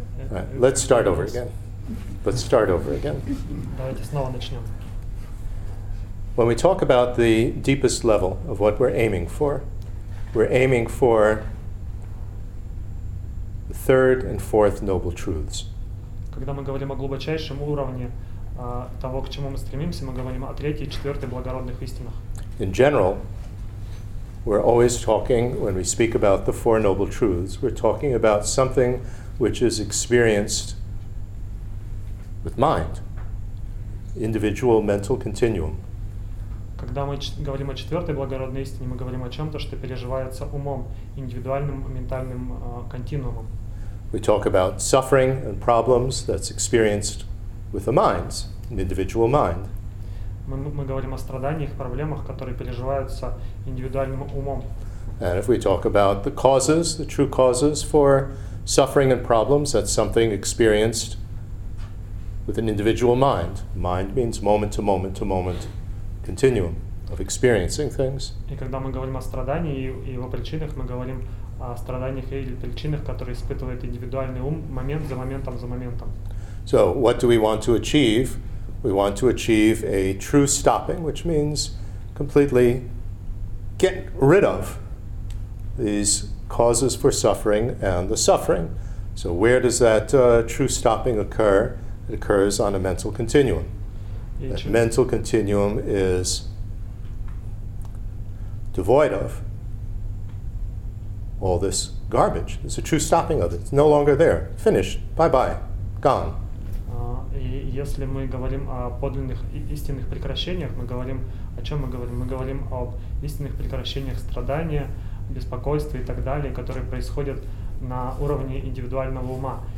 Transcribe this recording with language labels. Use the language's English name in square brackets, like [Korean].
[English] Right. Let's start over again. Let's start over again. [Russian] Давайте снова начнём. [English] When we talk about the deepest level of what we're aiming for the third and fourth noble truths. [Russian] Когда мы говорим о глубочайшем уровне того, к чему мы стремимся, мы говорим о третьей и четвёртой благородных истинах. [English] In general, we're always talking, when we speak about the four noble truths, we're talking about something which is experienced with mind, individual mental continuum. [Russian] Когда мы говорим о четвертой благородной истине, мы говорим о чем-то, что переживается умом, индивидуальным ментальным континуумом. [English] We talk about suffering and problems that's experienced with the minds, an individual mind. [Russian] Мы говорим о страданиях, проблемах, которые переживаются индивидуальным умом. [English] And if we talk about the causes, the true causes for suffering and problems, that's something experienced with an individual mind. Mind means moment to moment to moment continuum of experiencing things. [Russian] И когда мы говорим о страдании и его причинах, мы говорим о страданиях или причинах, которые испытывает индивидуальный ум момент за моментом за моментом. [English] So, what do we want to achieve? We want to achieve a true stopping, which means completely get rid of these causes for suffering and the suffering. So where does that true stopping occur? It occurs on a mental continuum. That mental continuum is devoid of all this garbage. It's a true stopping of it. It's no longer there. Finished. Bye-bye. Gone. [Russian] И если мы говорим о подлинных истинных прекращениях, мы говорим о чем мы говорим? Мы говорим об истинных прекращениях страдания, беспокойства и так далее, которые происходят на уровне индивидуального ума.